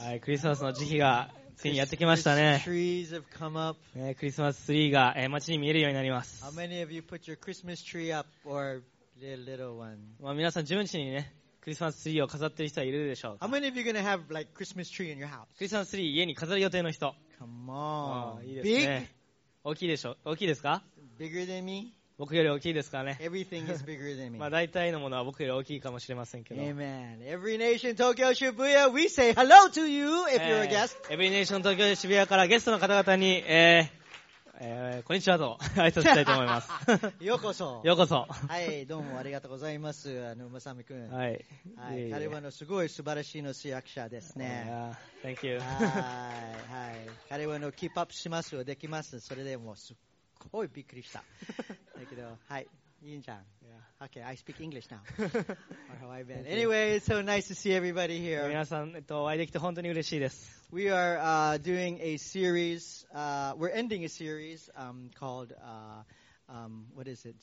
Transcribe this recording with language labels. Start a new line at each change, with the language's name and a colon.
Japanese: はい、クリスマスの時期がついにやってきましたね。
English: Trees have come up.
Japanese: クリスマスツリーが街に見えるようになります。
English: How many of you put your Christmas tree up or little one?
Japanese: まあ皆さん自分家にね、クリスマスツリーを飾ってる人はいるでしょうか。
English: How many of you gonna have like Christmas tree in your house?
Japanese: クリスマスツリー家に飾る予定の人。
English: Come on.
Japanese: いいですね。大きいでしょ。大きいですか？
English: Bigger than me?
Japanese: 僕より大きいですかね。
English: Everything is bigger than me.
Japanese: まあ大体のものは僕より大きいかもしれませんけど。
English: Amen. Every nation Tokyo Shibuya, we say hello to you if you're a guest.
Japanese: Every nation Tokyo Shibuya からゲストの方々に、こんにちはと挨拶したいと思います。ようこそ。ようこそ。はい、どうもありがとうございます。まさみくん。はい。はい。彼はのすごい素晴らしいの主役者ですね。
English: Thank you.
Japanese: はい。はい。彼はのキープアップしますよ。できます。それでもすすごいびっくりした。だけど、はい、いいじゃん。
English: Yeah. Okay, I speak English now. Or how I've been. Anyway, it's so nice to see everybody here.
Japanese: 皆さん、お会いできて本当に嬉しいです。
English: We are doing a series. We're ending a series called what is it?